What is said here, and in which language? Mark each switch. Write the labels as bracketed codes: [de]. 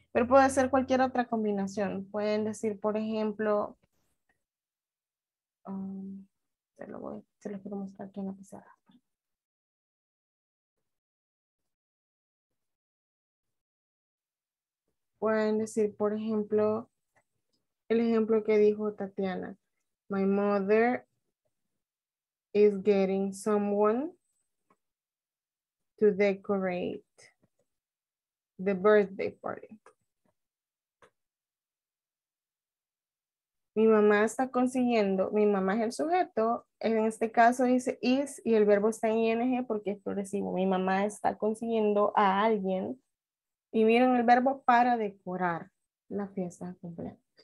[es] Pero puede ser cualquier otra combinación. Pueden decir, por ejemplo, se lo quiero mostrar aquí en la pizarra. Pueden decir, por ejemplo, el ejemplo que dijo Tatiana. [en] My mother is getting someone to decorate the birthday party. [es] Mi mamá está consiguiendo, mi mamá es el sujeto, en este caso dice is y el verbo está en ing porque es progresivo. Mi mamá está consiguiendo a alguien. Y miren el verbo para decorar la fiesta completa.